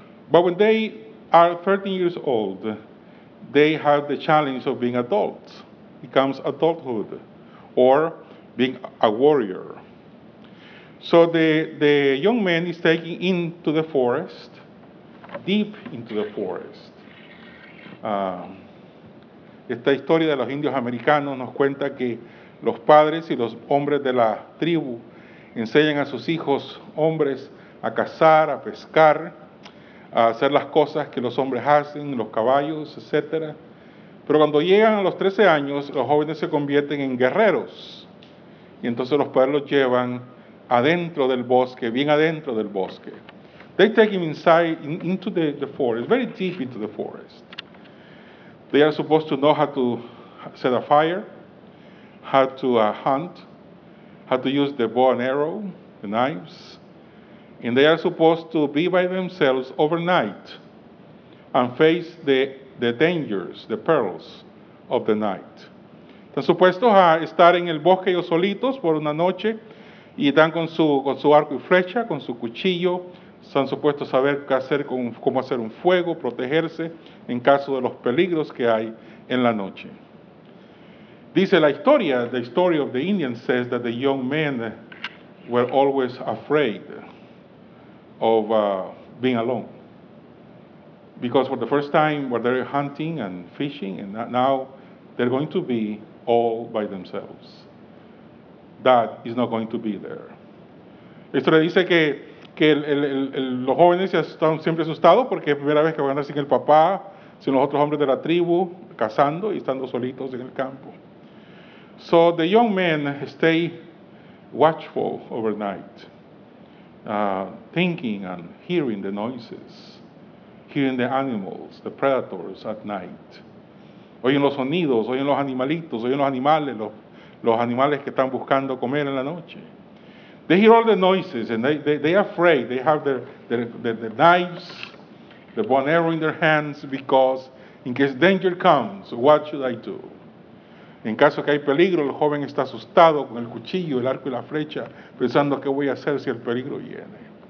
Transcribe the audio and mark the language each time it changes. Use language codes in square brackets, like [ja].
[en] But when they are 13 years old, they have the challenge of being adults. It comes adulthood, or being a warrior. So the young man is taken into the forest, deep into the forest. [es] Esta historia de los indios americanos nos cuenta que los padres y los hombres de la tribu enseñan a sus hijos hombres a cazar, a pescar, a hacer las cosas que los hombres hacen, los caballos, etc. Pero cuando llegan a los 13 años, los jóvenes se convierten en guerreros. Y entonces los padres los llevan adentro del bosque, bien adentro del bosque. [en] They take him inside, into the forest, very deep into the forest. They are supposed to know how to set a fire, how to hunt, how to use the bow and arrow, the knives. And they are supposed to be by themselves overnight and face the dangers, the perils of the night. [es] Están supuestos a estar en el bosque ellos solitos por una noche y están con su arco y flecha, con su cuchillo. Están supuestos a saber qué hacer, cómo hacer un fuego, protegerse en caso de los peligros que hay en la noche. Dice la historia, [en] the story of the Indians says that the young men were always afraid of being alone. Because for the first time, were they hunting and fishing, and now they're going to be all by themselves. That is not going to be there. [es] La historia dice que los jóvenes están siempre asustados porque es la primera vez que van a andar sin el papá, sin los otros hombres de la tribu, cazando y estando solitos en el campo. [en] So the young men stay watchful overnight, thinking and hearing the noises, hearing the animals, the predators at night. [es] Oyen los sonidos, oyen los animalitos, los los animales que están buscando comer en la noche. [en] They hear all the noises and they are afraid. They have their knives, the bow and arrow in their hands, because in case danger comes, what should I do? [es] En caso que hay peligro, el joven está asustado con el cuchillo, el arco y la flecha, pensando qué voy a hacer si el peligro viene.